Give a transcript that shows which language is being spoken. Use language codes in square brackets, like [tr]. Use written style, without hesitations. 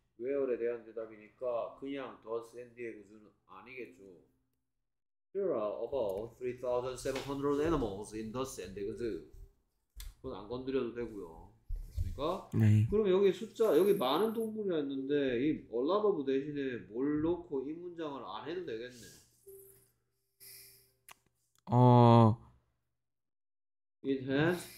[ko] where에 대한 대답이니까 그냥 더 샌디에고주는 아니겠죠. [en] There are about 3,700 animals in the San Diego Zoo. [ko] 그건 안 건드려도 되고요. 됐습니까? 네 그럼 여기 숫자, 여기 많은 동물이었는데 이 all above 대신에 뭘 넣고 이 문장을 안 해도 되겠네. [en] It has